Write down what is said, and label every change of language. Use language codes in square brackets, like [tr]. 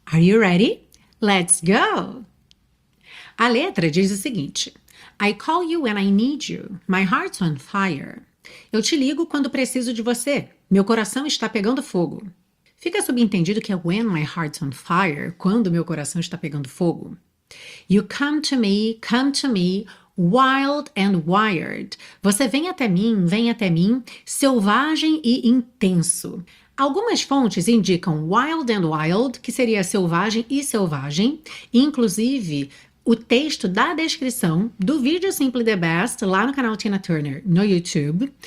[en] Are you ready? Let's go! [pt] A letra diz o seguinte: [en] I call you when I need you. My heart's on fire. [pt] Eu te ligo quando preciso de você. Meu coração está pegando fogo. Fica subentendido que é [en] when my heart's on fire, [pt] quando meu coração está pegando fogo. [en] You come to me, wild and wired. [pt] Você vem até mim, selvagem e intenso. Algumas fontes indicam [en] wild and wild, [pt] que seria selvagem e selvagem. Inclusive, o texto da descrição do vídeo Simply the Best, lá no canal Tina Turner, no YouTube.